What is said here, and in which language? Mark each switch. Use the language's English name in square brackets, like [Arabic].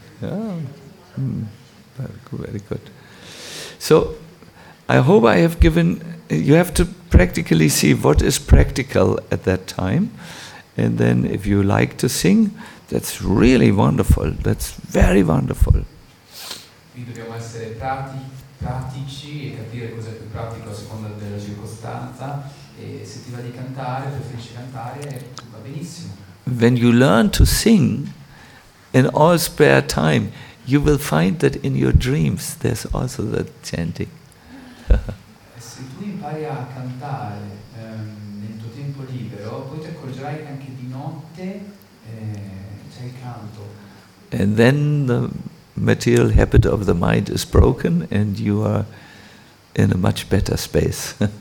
[English] Very good. So, I hope I have given. You have to practically see what is practical at that time, and then if you like to sing, that's really wonderful. That's very wonderful. [Italian] Quindi dobbiamo essere pratici e capire cosa è più pratico a seconda della circostanza. E se ti va di cantare, preferisci cantare, va benissimo. [English] When you learn to sing in all spare time, you will find that in your dreams there's also that chanting. [Italian] Se tu impari a cantare nel tuo tempo libero, poi ti accorgerai che anche di notte c'è il canto. [English] And then the material habit of the mind is broken and you are in a much better space.